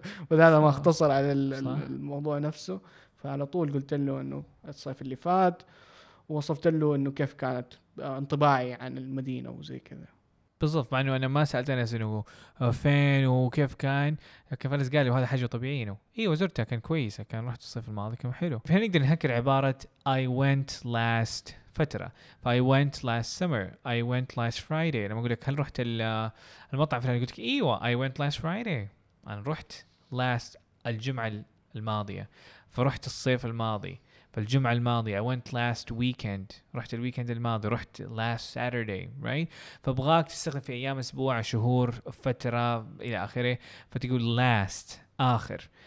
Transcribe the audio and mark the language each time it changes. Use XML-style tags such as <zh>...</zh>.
<ar>وهذا ما اختصر على الموضوع نفسه. فعلى طول قلت له انه الصيف اللي فات، ووصفت له انه كيف كانت انطباعي عن المدينة وزي كذا. بالضبط، مع انه انا ما سألت انس انه فين وكيف كان، كيف انس قال لي وهذا حاجة طبيعية انه ايوه زرتها كان كويسة، كان رحت الصيف الماضي كان حلو. فهنا نقدر نهكر عبارة</ar> <en>I went last</en> <ar>فترة، ف</ar> <en>I went last summer، I went last Friday.</en> <ar>لما اقول لك هل رحت المطعم فلان، قلت لك ايوه</ar> <en>I went last Friday،</en> <ar>انا رحت last الجمعة الماضية، فرحت الصيف الماضي، فالجمعة الماضية</ar> <en>I went last weekend،</en> <ar>رحت الويكند الماضي، رحت</ar> <en>last Saturday right.</en> <ar>فبغاك تستخدم في أيام أسبوع شهور فترة إلى آخره، فتقول last آخر.</ar>